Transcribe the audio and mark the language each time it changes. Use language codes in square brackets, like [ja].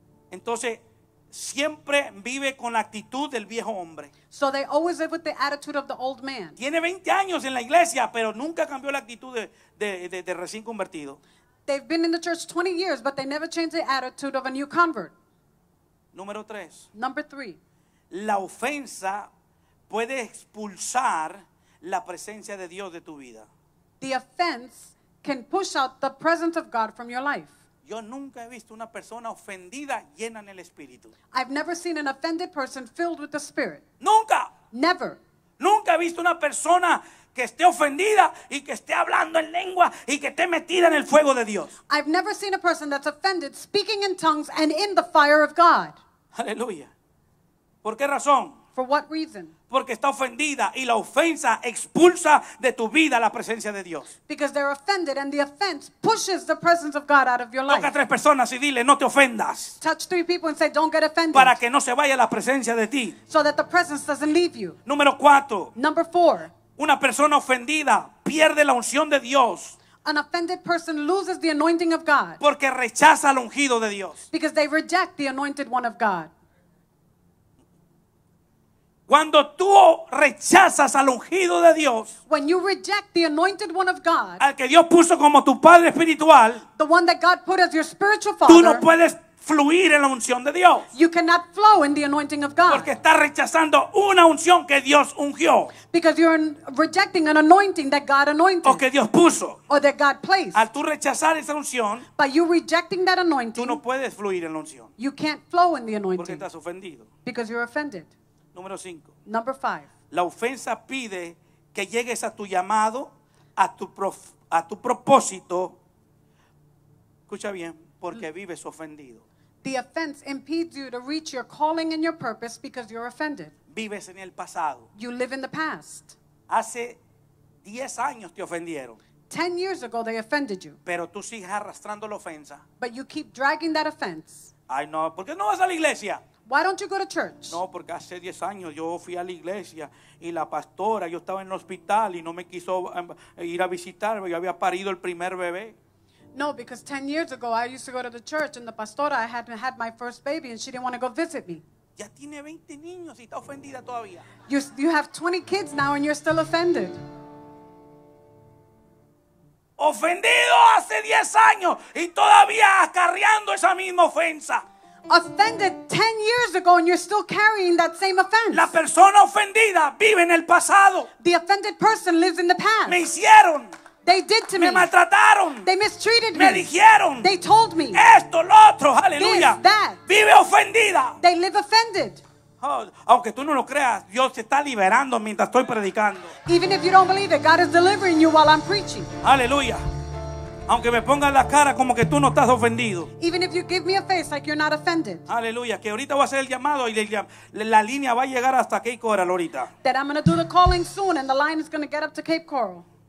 [es] Entonces siempre vive con la actitud del viejo hombre. [en] So they always live with the attitude of the old man. [es] Tiene 20 años en la iglesia, pero nunca cambió la actitud de recién convertido. [en] They've been in the church 20 years, but they never changed the attitude of a new convert. [es] Número 3. [en] Number 3. [es] La ofensa puede expulsar la presencia de Dios de tu vida. [en] The offense can push out the presence of God from your life. [es] Yo nunca he visto una persona ofendida llena en el Espíritu. [en] I've never seen an offended person filled with the Spirit. [es] Nunca. [en] Never. [es] Nunca he visto una persona que esté ofendida y que esté hablando en lengua y que esté metida en el fuego de Dios. [en] I've never seen a person that's offended speaking in tongues and in the fire of God. [es] Aleluya. ¿Por qué razón? [en] For what reason? [es] Porque está ofendida y la ofensa expulsa de tu vida la presencia de Dios. [en] Because they're offended and the offense pushes the presence of God out of your life. [es] Toca a tres personas y dile, no te ofendas. [en] Touch three people and say, don't get offended. [es] Para que no se vaya la presencia de ti. [en] So that the presence doesn't leave you. [es] Número cuatro. [en] Number four. [es] Una persona ofendida pierde la unción de Dios. [en] An offended person loses the anointing of God. [es] Porque rechaza al ungido de Dios. [en] Because they reject the anointed one of God. [es] Cuando tú rechazas al ungido de Dios, [en] when you reject the anointed one of God, [es] al que Dios puso como tu padre espiritual, [en] the one that God put as your spiritual father, [es] tú no puedes fluir en la unción de Dios. [en] You cannot flow in the anointing of God. [es] Porque estás rechazando una unción que Dios ungió. [en] Because you're rejecting an anointing that God anointed. [es] O que Dios puso. [en] Or that God placed. [es] Al tú rechazar esa unción, [en] by you rejecting that anointing, [es] tú no puedes fluir en la unción. [en] You can't flow in the anointing. [es] Porque estás ofendido. [en] Because you're offended. [es] Número 5. [en] Number 5. [es] La ofensa pide que llegues a tu llamado, a tu propósito. Escucha bien, porque vives ofendido. [en] The offense impedes you to reach your calling and your purpose because you're offended. [es] Vives en el pasado. [en] You live in the past. [es] Hace 10 años te ofendieron. [en] 10 years ago they offended you. [es] Pero tú sigues arrastrando la ofensa. [en] But you keep dragging that offense. [es] Ay, no, ¿por qué no vas a la iglesia? [en] Why don't you go to church? [es] No, porque hace 10 años yo fui a la iglesia y la pastora, yo estaba en el hospital y no me quiso ir a visitarme. Yo había parido el primer bebé. [en] No, because 10 years ago I used to go to the church and the pastora, I hadn't had my first baby and she didn't want to go visit me. [es] Ya tiene 20 niños y está ofendida todavía. [en] You have 20 kids now and you're still offended. [es] Ofendido hace 10 años y todavía acarreando esa misma ofensa. [en] Offended 10 years ago and you're still carrying that same offense. [es] La persona ofendida vive en el pasado. [en] The offended person lives in the past. [es] Me hicieron. [en] They did to me. [es] Me maltrataron. [en] They mistreated me. [es] Me dijeron. [en] They told me. [es] Esto, lo otro, aleluya. [en] This, that. [es] Vive ofendida. [en] They live offended. [es] Oh, aunque tú no lo creas, Dios te está liberando mientras estoy predicando. [en] Even if you don't believe it, God is delivering you while I'm preaching. [es] Aleluya. Aunque me pongas la cara como que tú no estás ofendido. [en] Even if you give me a face like you're not offended. [es] Aleluya, que ahorita voy a hacer el llamado y la línea va a llegar hasta Cape Coral ahorita. [en] That I'm going to do the calling soon and the line is going to get up to Cape Coral.